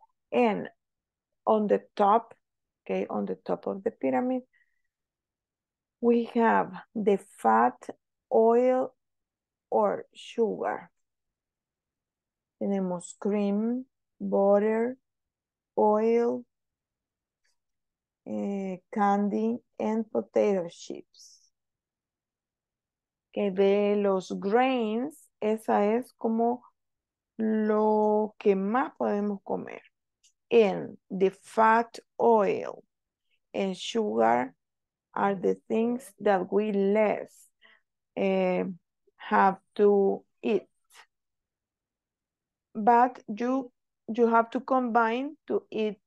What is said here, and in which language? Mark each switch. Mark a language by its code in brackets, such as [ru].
[en] And on the top, okay, on the top of the pyramid, we have the fat, oil, or sugar. Tenemos cream, butter, oil, candy, and potato chips. [es] Okay, de los grains, esa es como lo que más podemos comer. [en] And the fat, oil, and sugar are the things that we less have to eat. But you have to combine to eat